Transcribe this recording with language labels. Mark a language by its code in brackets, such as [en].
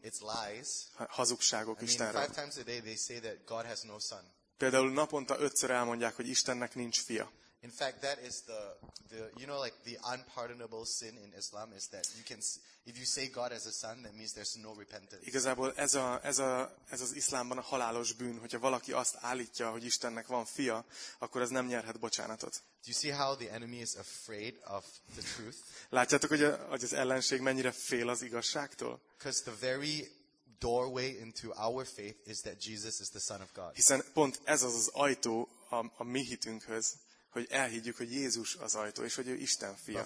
[en] It's lies. [hu] Hazugságok Istenről. [en] 5 times a day they say that God has no son. [hu] Például naponta 5-ször elmondják, hogy Istennek nincs fia. [en] In fact, that is the you know, like the unpardonable sin in Islam is that you can, if you say God has a son, that means there's no repentance. [hu] Igazából ez az iszlámban a halálos bűn, hogyha valaki azt állítja, hogy Istennek van fia, akkor ez nem nyerhet bocsánatot. [en] Do you see how the enemy is afraid of the truth? [hu] Látjátok, hogy az ellenség mennyire fél az igazságtól? [en] Because the very doorway into our faith is that Jesus is the Son of God. [hu] Hiszen pont ez az az ajtó a mi hitünkhöz, hogy elhiggyük, hogy Jézus az ajtó, és hogy ő Isten fia.